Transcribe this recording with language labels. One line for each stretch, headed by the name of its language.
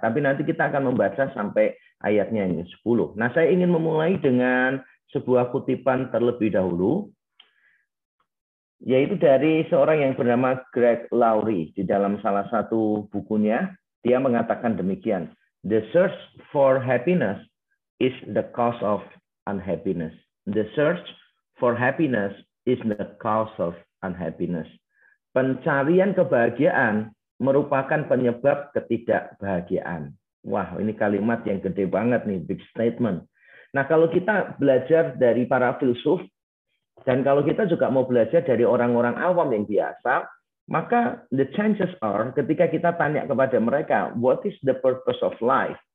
Indonesian: Tapi nanti kita akan membaca sampai ayatnya yang 10. Nah, saya ingin memulai dengan sebuah kutipan terlebih dahulu. Yaitu dari seorang yang bernama Greg Laurie. Di dalam salah satu bukunya, dia mengatakan demikian.
English: The search for happiness is the cause of unhappiness. The search for happiness is the cause of unhappiness.
Indonesian: Pencarian kebahagiaan merupakan penyebab ketidakbahagiaan. Wah, ini kalimat yang gede banget nih,
English: big statement.
Indonesian: Nah, kalau kita belajar dari para filsuf, dan kalau kita juga mau belajar dari orang-orang awam yang biasa, maka
English: the chances are
Indonesian: ketika kita tanya kepada mereka,
English: what is the purpose of life?